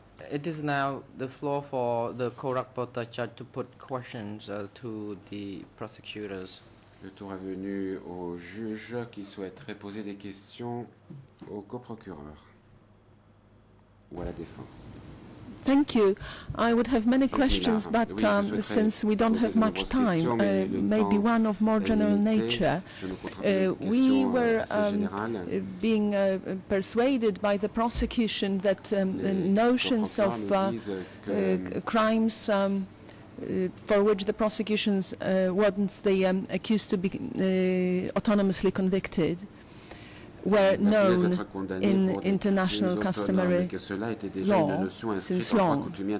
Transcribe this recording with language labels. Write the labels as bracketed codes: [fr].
[en] It is now the floor for the co-rapporteur judge to put questions to the prosecutors. [fr] Le tour est venu au juge qui souhaiterait poser des questions au coprocureur ou à la défense. [en] Thank you. I would have many questions, but since we don't have much time, maybe one of more general nature. We were being persuaded by the prosecution that notions of crimes for which the prosecution wants the accused to be autonomously convicted were known in international customary law since long.